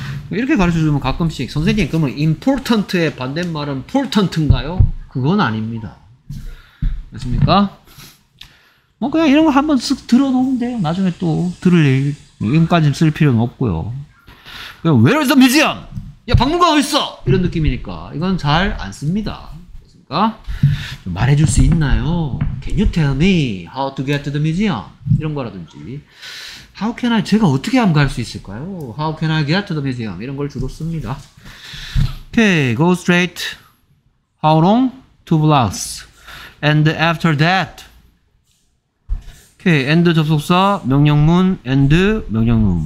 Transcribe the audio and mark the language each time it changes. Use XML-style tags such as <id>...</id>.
<ko>이렇게 가르쳐주면 가끔씩 선생님 그러면 important의 반대말은 important인가요? 그건 아닙니다. 됐습니까? 뭐 그냥 이런 거 한번 쓱 들어놓으면 돼요. 나중에 또 들을 일, 이름까지 쓸 필요는 없고요. 그냥</ko> <en>Where is the museum?</en> <ko>야, 박물관 어디 있어? 이런 느낌이니까 이건 잘 안 씁니다. 그러니까 말해줄 수 있나요?</ko> <en>Can you tell me how to get to the museum?</en> <ko>이런 거라든지</ko> <en>How can I?</en> <ko>제가 어떻게 하면 갈 수 있을까요?</ko> <en>How can I get to the museum?</en> <ko>이런 걸 주로 씁니다.</ko> <en>Okay, go straight. How long? Two blocks. And after that. Okay, and 접속사, 명령문, and 명령문.</en>